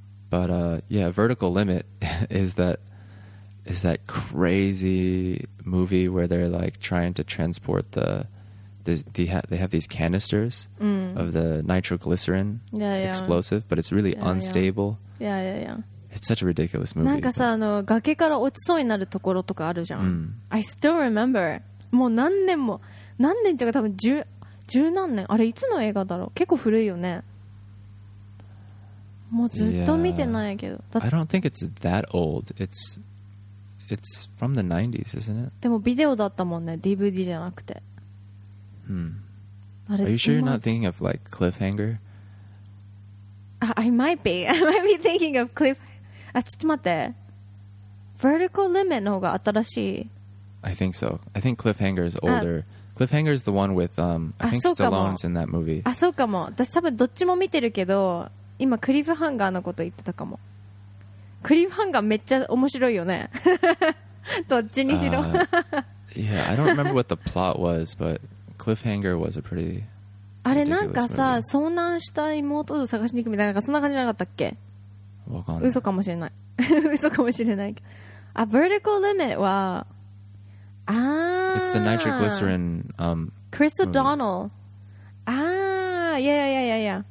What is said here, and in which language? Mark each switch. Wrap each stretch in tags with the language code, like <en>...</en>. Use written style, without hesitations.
<en>But yeah, Vertical Limit is that crazy movie where they're like trying to transport they have these canisters of the nitroglycerin explosive, but it's really unstable. Yeah. It's such a ridiculous movie.</en> <ja>なんかさ、崖から落ちそうになるところとかあるじゃん。</ja> <en>I still remember.</en> <ja>もう何年っていうか多分十何年。あれいつの映画だろう。結構古いよね。もうずっと見てないけど。</ja> <en>I don't think it's that old. It's from the 90s, isn't it?</en> <ja>でもビデオだったもんね。 DVD じゃなくて。 Hmm.</ja> <en>Are you sure you're not thinking of like Cliffhanger? I might be thinking of Cliff. Ah, just wait.</en> <ja>Vertical Limit の方が新しい.</ja> <en>I think so. I think Cliffhanger is older. Cliffhanger is the one with I think Stallone's in that movie.</en> <ja>Ah, そうかも。私多分どっちも見てるけど、今クリフハンガーのこと言ってたかも。クリフハンガーめっちゃ面白いよね。どっちにしろ。</ja> <en>Yeah, I don't remember what the plot was, but. Cliffhanger was a pretty</en> <ja>あれなんかさ、</ja> <en>movie.</en> <ja>遭難した妹を探しに行くみたいな、なんかそんな感じなかったっけ？わかんない。嘘かもしれない。嘘かもしれない。あ、Vertical Limit は、ああ。</ja> <en>It's the nitroglycerin.</en> <ja>Chris O'Donnell. ああ、いや。</ja>